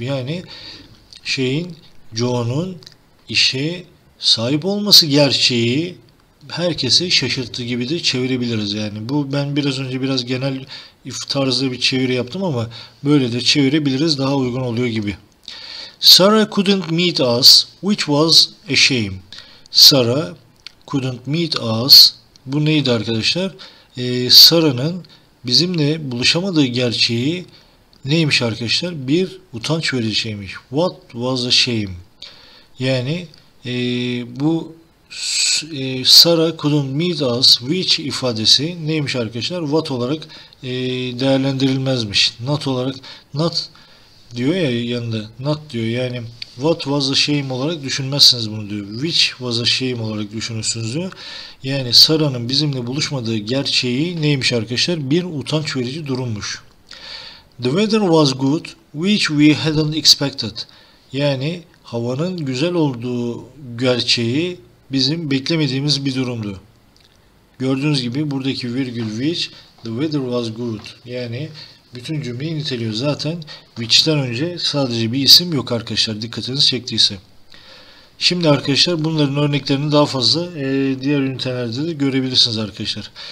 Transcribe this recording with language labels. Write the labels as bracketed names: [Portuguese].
[Turkish] Yani Joe'nun işe sahip olması gerçeği herkesi şaşırttı gibi de çevirebiliriz. Yani bu, ben biraz önce biraz genel tarzda bir çeviri yaptım ama böyle de çevirebiliriz, daha uygun oluyor gibi. [English] Sarah couldn't meet us, which was a shame. Sarah couldn't meet us. [Turkish] Bu neydi arkadaşlar? Sarah'nın bizimle buluşamadığı gerçeği neymiş arkadaşlar? Bir utanç verici şeymiş. [English] What was a shame? [Turkish] Yani bu [English] Sarah couldn't meet us, which [Turkish] ifadesi neymiş arkadaşlar? What olarak değerlendirilmezmiş. Not olarak, not diyor ya yanında, not diyor. Yani [English] what was a shame [Turkish] olarak düşünmezsiniz bunu diyor. [English] Which was a shame [Turkish] olarak düşünürsünüz diyor. Yani Sarah'nın bizimle buluşmadığı gerçeği neymiş arkadaşlar? Bir utanç verici durummuş. [English] The weather was good, which we hadn't expected. [Turkish] Yani havanın güzel olduğu gerçeği bizim beklemediğimiz bir durumdu. Gördüğünüz gibi buradaki virgül which, [English] the weather was good. [Turkish] Yani bütün cümleyi niteliyor. Zaten which'ten önce sadece bir isim yok arkadaşlar, dikkatinizi çektiyse. Şimdi arkadaşlar bunların örneklerini daha fazla diğer ünitelerde de görebilirsiniz arkadaşlar.